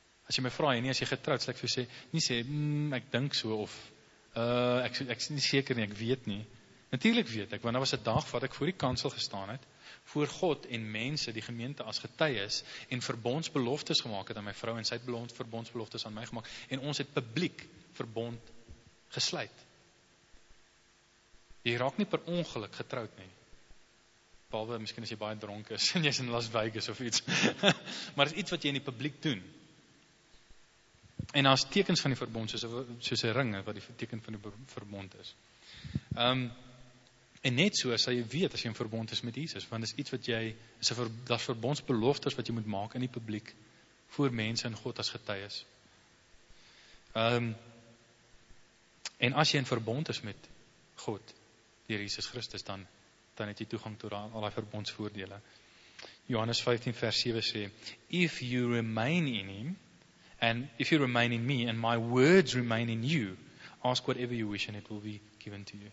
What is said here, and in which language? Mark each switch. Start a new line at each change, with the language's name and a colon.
Afrikaans: As jy my vraag, nie as jy getrouwd, sal ek vir jou sê, nie sê, ek dink so, of, ek is nie seker nie, ek weet nie. Natuurlijk weet ek, want daar was een dag wat ek voor die kansel gestaan het, voor God en mense, die gemeente as getuies, en verbondsbeloftes gemaakt het aan my vrou, en sy het verbondsbeloftes aan my gemaakt, en ons het publiek verbond gesluit. Jy raak nie per ongeluk getrouwd nie. Behalwe, miskien as jy baie dronk is, en jy is in Las Vegas of iets. Maar is iets wat jy in die publiek doen. En as tekens van die verbond, soos die ringe, wat die teken van die verbond is. En net so sal jy weet, as jy in verbond is met Jesus, want is iets wat jy, dat verbondsbelofte is wat jy moet maak in die publiek, voor mense en God as getuies. En as jy in verbond is met God, die Jesus Christus, dan het jy toegang tot al die verbondsvoordele. Johannes 15 vers 7 sê,
English: if you remain in him, and if you remain in me, and my words remain in you, ask whatever you wish, and it will be given to you.